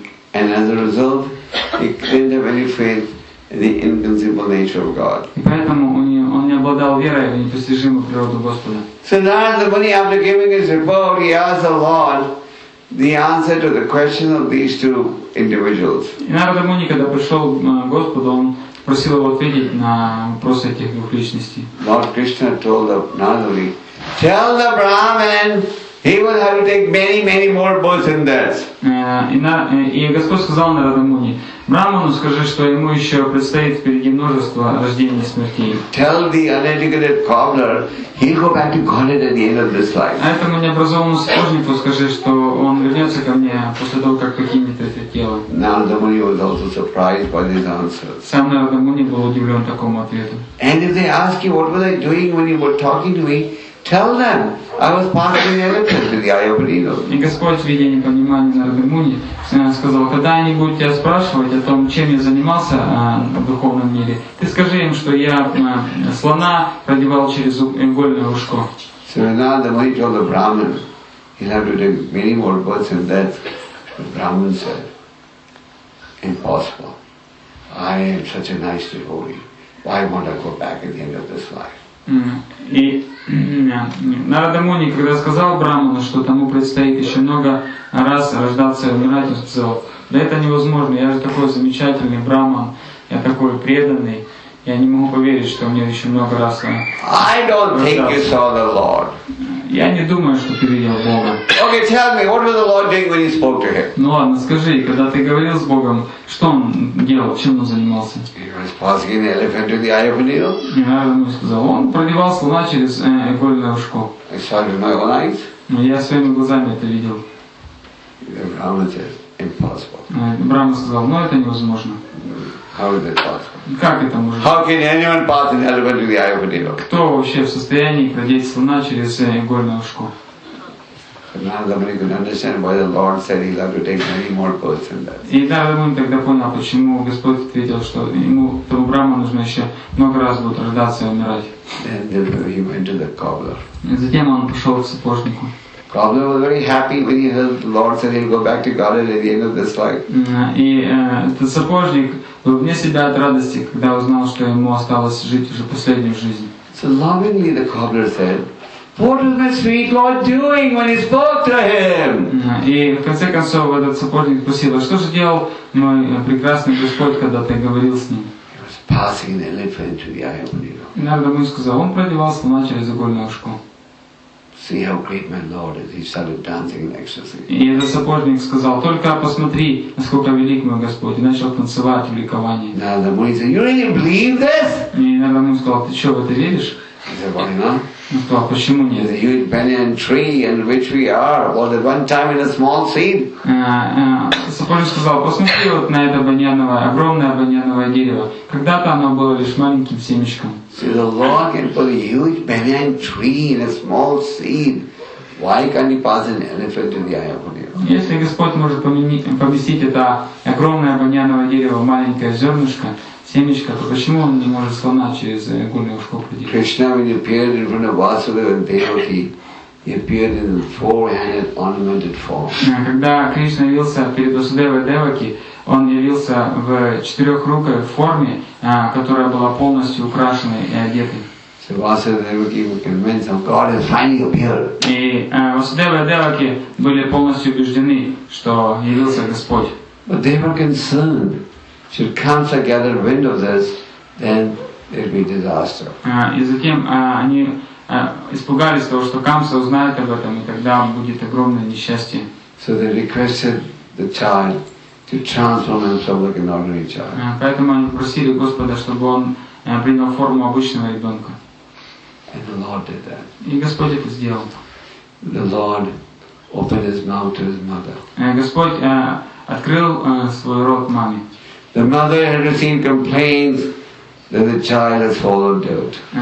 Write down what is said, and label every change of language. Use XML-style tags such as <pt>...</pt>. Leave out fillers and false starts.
<en>And as a result, he didn't have any faith in the inconceivable nature of God.</en> <ru>Поэтому он не обладал верой в непостижимую природу Господа.</ru> <en>So Narada Muni, after giving his report, he asked the Lord the answer to the question of these two individuals.</en> <ru>Narada Muni, когда пришел к Господу, он просил его ответить на вопрос этих двух личностей.</ru> <en>Lord Krishna told Narada Muni, "Tell the Brahman." He will have to take many, many more births than this.</en> <ru>И Господь сказал Нараду Муни, Браману скажи, что ему еще предстоит впереди множество рождений и смертей.</ru> <en>Tell the uneducated cobbler, he'll go back to Godhead at the end of this life.</en> <ru>А этому необразованному сапожнику скажи, что он вернется ко мне после того, как покинет это тело.</ru> <en>Нараду Муни was also surprised by this answer.</en> <ru>Сам Нараду Муни был удивлен такому ответу.</ru> <en>And if they ask you, what were they doing when you were talking to me? Tell them I was pondering the elephant in the eye of Lino.</en> <ru>И Господь, видя непонимание Нараду Муни, сказал, когда они будут тебя спрашивать о том, чем я занимался в духовном мире, ты скажи им, что я слона продевал через игольное ушко.</ru> <en>So now the Muni told the Brahman, he'll have to take many more births than that. The Brahman said, impossible. I am such a nice devotee. Why won't I go back at the end of this life?</en> <ru>И Нараду Муни, когда сказал Браману, что тому предстоит еще много раз рождаться и умирать, он сказал, да это невозможно, я же такой замечательный Браман, я такой преданный, я не могу поверить, что мне еще много раз рождаться. Я не думаю, что ты видел Бога.</ru> <en>Okay, tell me, what was the Lord doing when he spoke to him?</en> <ru>Ну ладно, скажи, когда ты говорил с Богом, что он делал, чем он занимался?</ru> <en>He was passing an elephant in the eye of a needle.</en> <ru>Я ему сказал, он продевал слона через игольное ушко.</ru> <en>I saw it with my own eyes.</en> <ru>Ну, я своими глазами это видел.</ru> <en>The Brahman says, impossible.</en> <ru>Брама сказал, ну это невозможно.</ru> <en>How is that possible?</en> <ru>Как это может?</ru> <en>How can anyone pass an elephant with the eye of a needle?</en> <ru>Кто вообще в состоянии продеть слона через игольное ушко?</ru> <en>Narada Muni could understand why the Lord said he'll have to take many more births than that.</en> <ru>И Нараду Муни тогда понял, почему Господь ответил, что ему тому Брама нужно еще много раз будет рождаться и умирать.</ru> <en>Then he went to the cobbler.</en> <ru>И затем он пошел к сапожнику.</ru> <en>Cobbler was very happy when he heard the Lord said he'll go back to Godhead at the end of this life.</en> <ru>И этот сапожник был вне себя от радости, когда узнал, что ему осталось жить уже последнюю жизнь.</ru> <en>So lovingly the cobbler said, "What was my sweet Lord doing when he spoke to him?"</en> <ru>И в конце концов этот сапожник спросил, что же делал мой прекрасный Господь, когда ты говорил с ним?</ru> <en>He was passing an elephant through the eye of a needle.</en> <ru>Иногда ему сказал, он продевал слона через игольное ушко.</ru> <en>See how great my Lord is. He started dancing in ecstasy.</en> <ru>И этот сапожник сказал, только посмотри, насколько велик мой Господь, и начал танцевать в ликовании.</ru> <en>Narada Muni said, "You really believe this?"</en> <ru>И Narada Muni сказал, ты что, в это веришь?</ru> <en>He said, "Why not?"</en> <ru>Ну сказал, почему нет?</ru> <en>The huge banyan tree in which we are, was at one time in a small seed.</en> <ru>Сапожник сказал, посмотри вот на это баньяновое, огромное баньяновое дерево. Когда-то оно было лишь маленьким семечком.</ru> <en>See, the Lord can put a huge banyan tree in a small seed. Why can't he pass an elephant in the eye of a needle?</en> <ru>Если Господь может поместить это огромное баньяновое дерево в маленькое зернышко, семечко, то почему он не может слона через игольное ушко продеть?</ru> <en>Krishna, when he appeared in front of Vasudeva and Devaki, he appeared in a four-handed ornamented form.</en> <ru>Когда Кришна явился перед Васудевой и Деваки, он явился в четырехрукой форме, которая была полностью украшена и одета.</ru> <en>So Vasudeva was convinced that God has finally appeared.</en> <ru>И Васудева и Деваки были полностью убеждены, что явился Господь.</ru> <en>But they were concerned. Should Kamsa gather wind of this, then it'd be disaster.</en> <ru>И затем они испугались того, что Камса узнает об этом, и тогда будет огромное несчастье.</ru> <en>So they requested the child to transform himself like an ordinary child.</en> <ru>Поэтому они просили Господа, чтобы он принял форму обычного ребенка.</ru> <en>And the Lord did that.</en> <ru>И Господь это сделал.</ru> <en>The Lord opened his mouth to his mother.</en> <ru>Господь открыл свой рот маме.</ru> <en>The mother had received complaints that the child has fallen dirt.</en>